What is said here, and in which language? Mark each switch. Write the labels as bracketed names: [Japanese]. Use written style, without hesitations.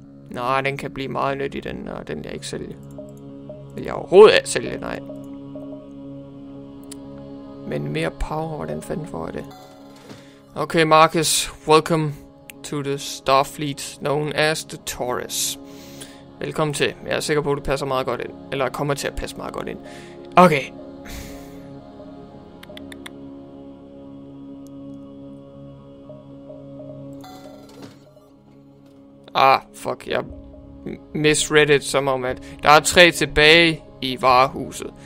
[Danish] Nej, den kan blive meget nyttig, den, og den vil jeg ikke sælge. Vil jeg overhovedet ikke sælge, nej. Men mere power, hvordan fanden får jeg det? Okay, Marcus. [English] Welcome to the Starfleet, known as the Taurus. [Danish] Velkommen til. Jeg er sikker på, at du passer meget godt ind. Eller kommer til at passe meget godt ind. Okay. Ah, fuck. Jeg [English] misread it, [Danish] som om, at der er 3 tilbage i varehuset.